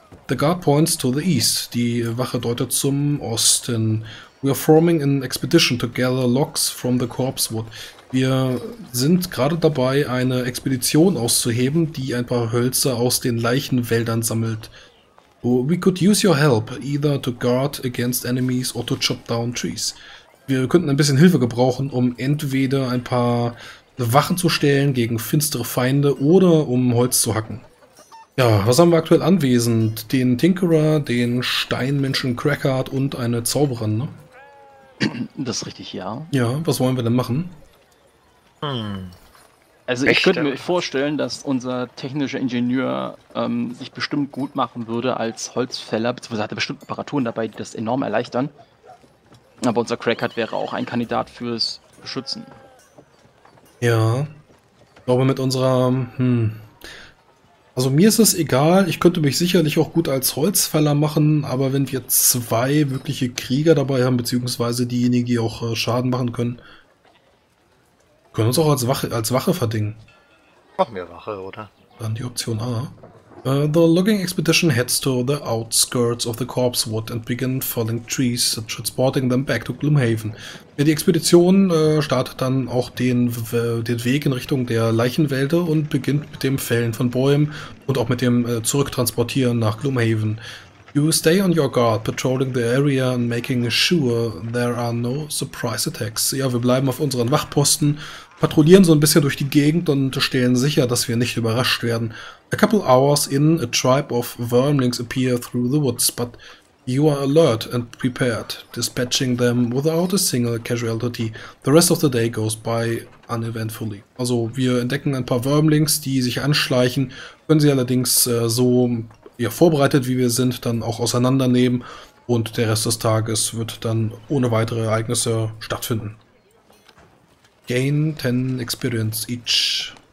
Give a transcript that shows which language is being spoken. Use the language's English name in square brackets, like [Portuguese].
[English] The guard points to the east. [German] Die Wache deutet zum Osten. [English] We are forming an expedition to gather logs from the corpse wood. [German] Wir sind gerade dabei, eine Expedition auszuheben, die ein paar Hölzer aus den Leichenwäldern sammelt. [English] We could use your help, either to guard against enemies or to chop down trees. [German] Wir könnten ein bisschen Hilfe gebrauchen, um entweder ein paar Wachen zu stellen gegen finstere Feinde oder um Holz zu hacken. Ja, was haben wir aktuell anwesend? Den Tinkerer, den Steinmenschen Crackheart und eine Zauberin, ne? Das ist richtig, ja. Ja, was wollen wir denn machen? Also ich könnte mir vorstellen, dass unser technischer Ingenieur sich bestimmt gut machen würde als Holzfäller, beziehungsweise hat er bestimmt Apparaturen dabei, die das enorm erleichtern. Aber unser Crackheart wäre auch ein Kandidat fürs Beschützen. Ja, ich glaube mit unserer. Also mir ist es egal, ich könnte mich sicherlich auch gut als Holzfäller machen, aber wenn wir zwei wirkliche Krieger dabei haben, beziehungsweise diejenigen, die auch Schaden machen können, können uns auch als Wache verdingen. Machen wir Wache, oder? Dann die Option A. [English] The logging expedition heads to the outskirts of the Corpse Wood and begin felling trees and transporting them back to Gloomhaven. [German] Ja, die Expedition startet dann auch den Weg in Richtung der Leichenwälder und beginnt mit dem Fällen von Bäumen und auch mit dem Zurücktransportieren nach Gloomhaven. [English] You stay on your guard, patrolling the area and making sure there are no surprise attacks. [German] Ja, wir bleiben auf unseren Wachposten, patrouillieren so ein bisschen durch die Gegend und stellen sicher, dass wir nicht überrascht werden. [English] A couple hours in, a tribe of wormlings appear through the woods, but you are alert and prepared, dispatching them without a single casualty. The rest of the day goes by uneventfully. [German] Also, wir entdecken ein paar Wormlings, die sich anschleichen, können sie allerdings so, ja, vorbereitet wie wir sind, dann auch auseinandernehmen und der Rest des Tages wird dann ohne weitere Ereignisse stattfinden. [English] Gain 10 experience each.